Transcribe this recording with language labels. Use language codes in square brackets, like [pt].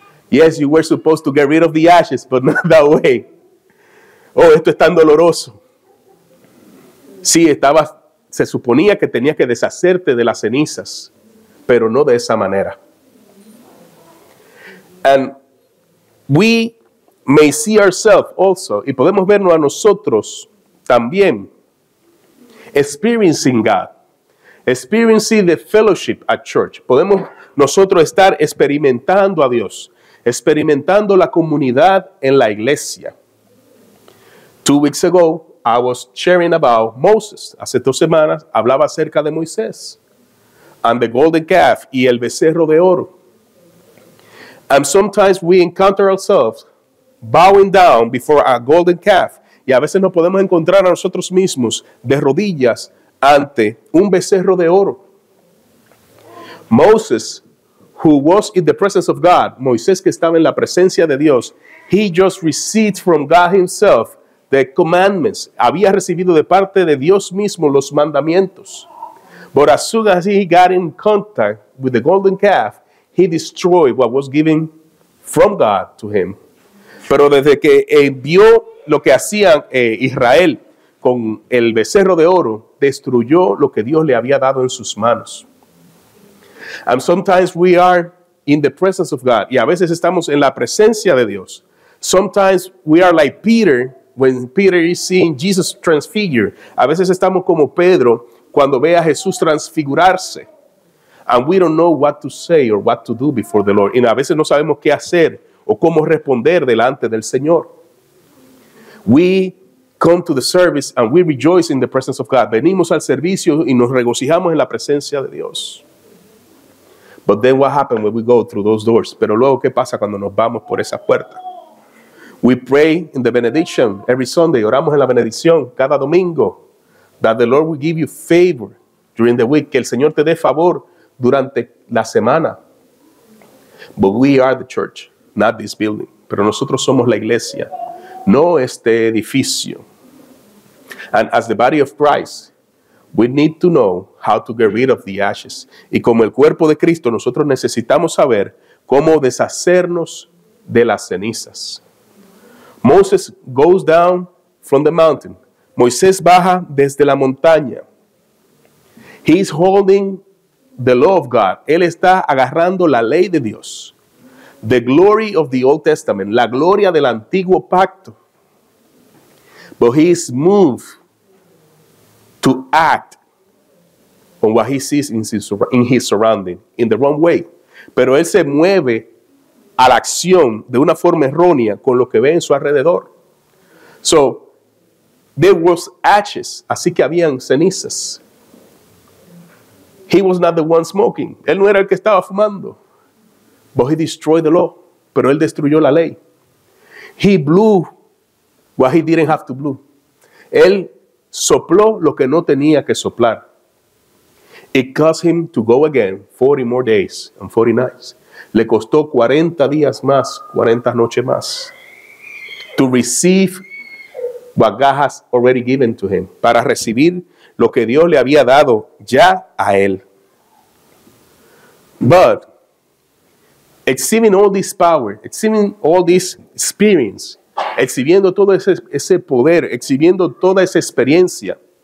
[en] Yes, you were supposed to get rid of the ashes, but not that way. [es] Oh, esto es tan doloroso. Sí, estabas, se suponía que tenías que deshacerte de las cenizas, pero no de esa manera. [en] And we may see ourselves also, [es] y podemos vernos a nosotros también, [en] experiencing God, experiencing the fellowship at church. [es] Podemos nosotros estar experimentando a Dios, experimentando la comunidad en la iglesia. [en] 2 weeks ago, I was sharing about Moses. [es] Hace 2 semanas, hablaba acerca de Moisés. [en] And the golden calf, [es] y el becerro de oro. [en] And sometimes we encounter ourselves bowing down before a golden calf. [es] Y a veces nos podemos encontrar a nosotros mismos de rodillas ante un becerro de oro. [en] Moses, who was in the presence of God, [es] Moisés que estaba en la presencia de Dios, [en] he just received from God himself the commandments. [es] Había recibido de parte de Dios mismo los mandamientos. [en] But as soon as he got in contact with the golden calf, he destroyed what was given from God to him. [es] Pero desde que vio lo que hacía Israel con el becerro de oro, destruyó lo que Dios le había dado en sus manos. [en] And sometimes we are in the presence of God. [es] Y a veces estamos en la presencia de Dios. [en] Sometimes we are like Peter, when Peter is seeing Jesus transfigure. [es] A veces estamos como Pedro cuando ve a Jesús transfigurarse. [en] And we don't know what to say or what to do before the Lord. [es] Y a veces no sabemos qué hacer o cómo responder delante del Señor. [en] We come to the service and we rejoice in the presence of God. [es] Venimos al servicio y nos regocijamos en la presencia de Dios. [en] But then what happens when we go through those doors? [es] Pero luego, ¿qué pasa cuando nos vamos por esa puerta? [en] We pray in the benediction every Sunday. [es] Oramos en la bendición cada domingo. [en] That the Lord will give you favor during the week. [es] Que el Señor te dé favor durante la semana. [en] But we are the church, not this building. [es] Pero nosotros somos la iglesia, no este edificio. [en] And as the body of Christ, we need to know how to get rid of the ashes. [es] Y como el cuerpo de Cristo, nosotros necesitamos saber cómo deshacernos de las cenizas. [en] Moses goes down from the mountain. [es] Moisés baja desde la montaña. [en] He is holding the law of God. [es] Él está agarrando la ley de Dios. [en] The glory of the Old Testament. [es] La gloria del antiguo pacto. [en] But he's moved to act on what he sees in his surrounding in the wrong way. [es] Pero él se mueve a la acción de una forma errónea con lo que ve en su alrededor. [en] So, there was ashes. [es] Así que habían cenizas. [en] He was not the one smoking. [es] Él no era el que estaba fumando. [en] But he destroyed the law. [es] Pero él destruyó la ley. [en] He blew what he didn't have to blow. [es] Él sopló lo que no tenía que soplar. [en] It caused him to go again 40 more days and 40 nights. [es] Le costó 40 días más, 40 noches más. [en] To receive what God has already given to him. [es] Para recibir lo que Dios le había dado ya a él. [en] But exhibiting all this power, exhibiting all this experience, [es] exhibiendo todo ese poder, exhibiendo toda esa experiencia.